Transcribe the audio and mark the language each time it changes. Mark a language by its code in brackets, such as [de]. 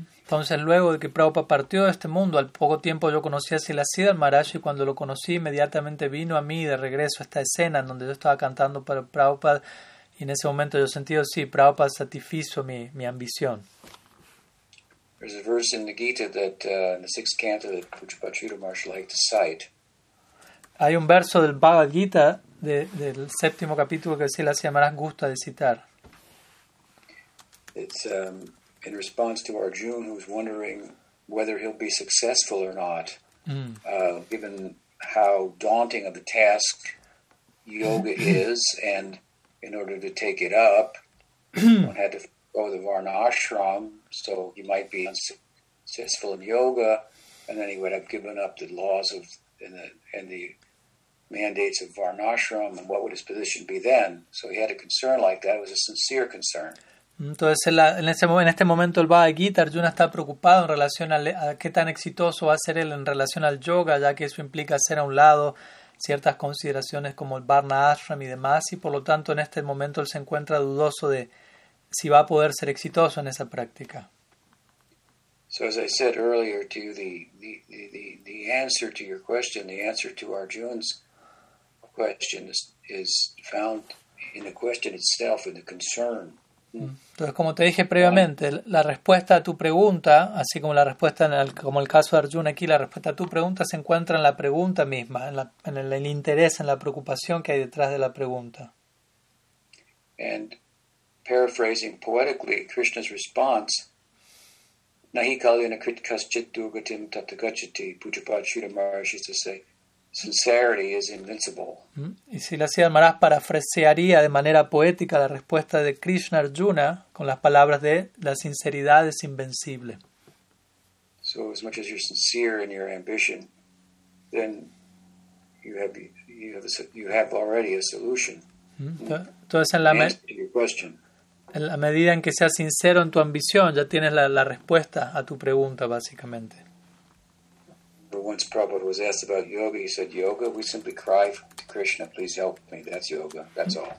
[es] Entonces, luego de que Prabhupada partió de este mundo, al poco tiempo yo conocí a Srila Sridhar Maharaj, y cuando lo conocí, inmediatamente vino a mí de regreso esta escena en donde yo estaba cantando para Prabhupada, y en ese momento yo sentí, sí, Prabhupada satisfizo mi ambición. [en] There's a verse in the Gita that in the sixth canto that Pujapati Sridhar Maharaj liked to cite. [es] Hay un verso del Bhagavad Gita del séptimo capítulo que Srila Sridhar Maharaj gusta de citar. [en] It's in response to Arjuna, who's wondering whether he'll be successful or not, given how daunting of a task yoga is, and in order to take it up, one had to go to the Varna Ashram, so he might be unsuccessful in yoga, and then he would have given up the laws of and the mandates of Varna Ashram, and what would his position be then? So he had a concern like that. It was a sincere concern. [es] Entonces, en este momento el Bhagavad Gita, Arjuna está preocupado en relación a qué tan exitoso va a ser él en relación al yoga, ya que eso implica hacer a un lado ciertas consideraciones como el Varna Ashram y demás, y por lo tanto en este momento él se encuentra dudoso de si va a poder ser exitoso en esa práctica. [en] So as I said earlier to you, the answer to your question, the answer to Arjuna's question is found in the question itself, in the concern. [es] Entonces, como te dije previamente, la respuesta a tu pregunta, así como la respuesta como el caso de Arjuna aquí, la respuesta a tu pregunta se encuentra en la pregunta misma, en el interés, en la preocupación que hay detrás de la pregunta. [en] And paraphrasing poetically Krishna's response, [sa] Nahi kalyana krit kaschit durgatim tatagachati [en] Pujapati Sridhar Maharaj used to say, sincerity is invincible. [es] Y si la Sridhar Maharaj parafrasearía de manera poética la respuesta de Krishna Arjuna con las palabras de la sinceridad es invencible. [en] So as much as you're sincere in your ambition, then you have already a solution. [es] Entonces en la medida en que seas sincero en tu ambición, ya tienes la respuesta a tu pregunta básicamente. [en] Once Prabhupada was asked about yoga, he said, "Yoga, we simply cry to Krishna, please help me. That's yoga. That's all."